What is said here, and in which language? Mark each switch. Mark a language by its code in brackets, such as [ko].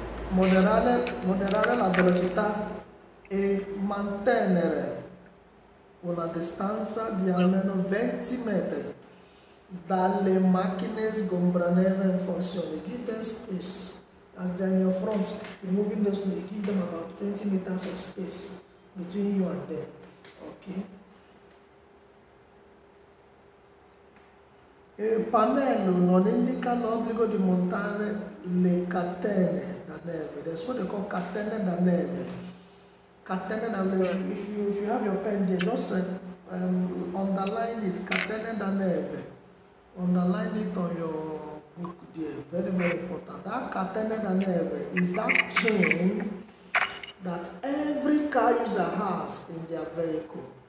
[it] Moderare la velocità e mantenere una distanza di almeno 20 metri dalle macchine sgombranere in funzione. [en] Give them space as they are in your front, removing the snow. Give them about 20 meters of space between you and them. Okay. [it] Il pannello non indica l'obbligo di montare le catene da neve. [en] That's what they call [it] catene da neve. Catene da neve. [en] If you have your pen there, just underline it. [it] Catene da neve. [en] Underline it on your book there. Very, very important. That catene da neve is that chain that every car user has in their vehicle.